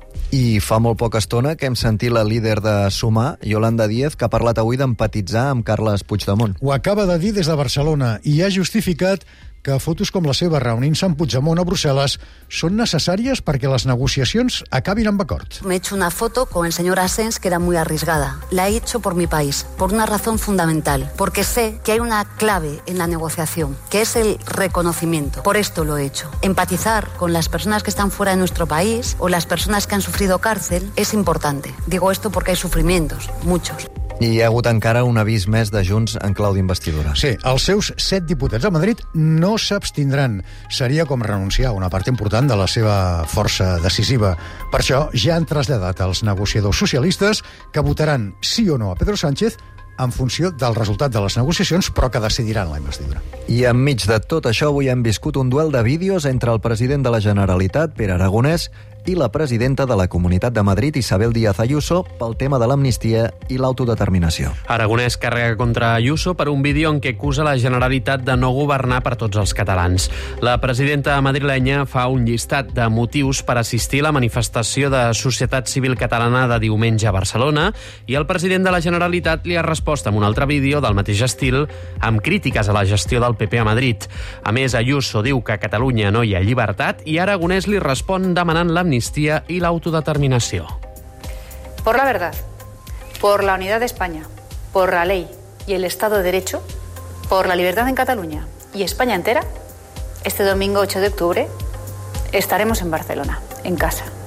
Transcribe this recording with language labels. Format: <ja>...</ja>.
<ca>I fa molt poca estona que hem sentit la líder de Sumar, Yolanda Díez, que ha parlat avui d'empatitzar amb Carles Puigdemont. Ho acaba de dir des de Barcelona i ha justificat que fotos com la seva reunint-se amb Puigdemont a Brussel·les són necessàries perquè les negociacions acabin amb acord.</ca> <es>Me he hecho una foto con el señor Asens que era muy arriesgada. La he hecho por mi país, por una razón fundamental, porque sé que hay una clave en la negociación, que es el reconocimiento. Por esto lo he hecho. Empatizar con las personas que están fuera de nuestro país o las personas que han sufrido cárcel es importante. Digo esto porque hay sufrimientos, muchos.</es> <ca>I hi ha hagut encara un avís més de Junts en clau d'investidura. Sí, els seus 7 diputats a Madrid no s'abstindran. Seria com renunciar a una part important de la seva força decisiva. Per això ja han traslladat als negociadors socialistes que votaran sí o no a Pedro Sánchez en funció del resultat de les negociacions, però que decidiran la investidura. I enmig de tot això avui hem viscut un duel de vídeos entre el president de la Generalitat, Pere Aragonès, i la presidenta de la Comunitat de Madrid, Isabel Díaz Ayuso, pel tema de l'amnistia i l'autodeterminació. Aragonès carrega contra Ayuso per un vídeo en què acusa la Generalitat de no governar per tots els catalans. La presidenta madrilenya fa un llistat de motius per assistir a la manifestació de Societat Civil Catalana de diumenge a Barcelona i el president de la Generalitat li ha respost amb un altre vídeo del mateix estil amb crítiques a la gestió del PP a Madrid. A més, Ayuso diu que a Catalunya no hi ha llibertat i Aragonès li respon demanant l'amnistia i l'autodeterminació.</ca> <es>Por la verdad, por la unidad de España, por la ley y el Estado de Derecho, por la libertad en Cataluña y España entera, este domingo 8 de octubre estaremos en Barcelona, en casa.</es>